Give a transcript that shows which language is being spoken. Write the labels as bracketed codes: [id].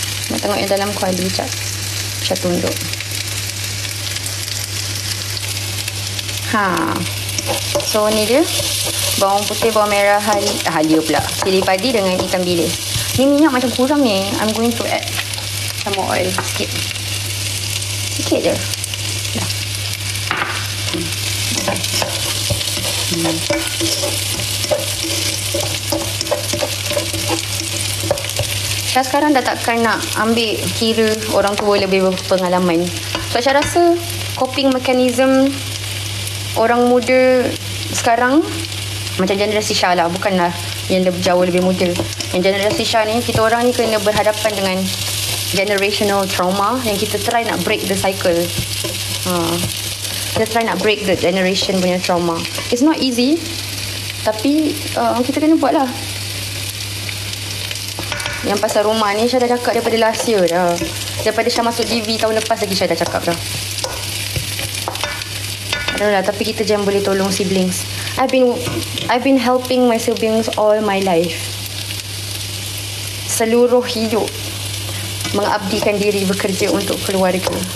[ms] Nak tengok yang dalam kuali sekejap. Saya tunduk. So ni dia. Bawang putih, bawang merah, halia pula. Cili padi dengan ikan bilis. Ni minyak macam kurang ni. [en] I'm going to add some more oil [ms] sikit. Sikit je. Syah sekarang dah takkan nak ambil kira orang tua lebih berpengalaman. Sebab Syah rasa coping mechanism orang muda sekarang macam generasi Syah lah. Bukanlah yang lebih jauh lebih muda. Yang generasi Syah ni, kita orang ni kena berhadapan dengan generational trauma yang kita try nak [en] break the cycle. [ms] Kita try nak [en] break the generation [ms] punya trauma. [en] It's not easy. [ms] Tapi, kita kena buat lah. Yang pasal rumah ni, Syah dah cakap daripada [en] last year [ms] dah. Daripada Syah masuk TV tahun lepas lagi Syah dah cakap dah. Adalah, tapi kita jangan boleh tolong siblings. [en] I've been helping my siblings all my life. [ms] Seluruh hidup mengabdikan diri bekerja untuk keluarga.